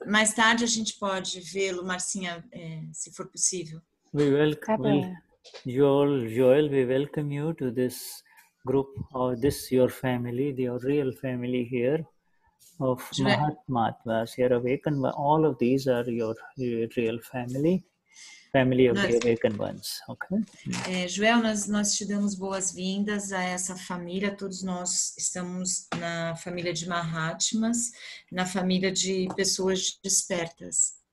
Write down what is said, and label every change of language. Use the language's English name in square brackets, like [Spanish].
[Portuguese] Mais tarde a gente pode vê-lo, Marcinha, se for possível. [English] We welcome... Joel, we welcome you to this group or this your family, your real family here. Of Mahatmatvas, here awakened, all of these are your real family of the awakened ones, okay? [Portuguese] Joel, nós te damos boas-vindas a essa família, todos nós estamos na família de Mahatmas, na família de pessoas despertas.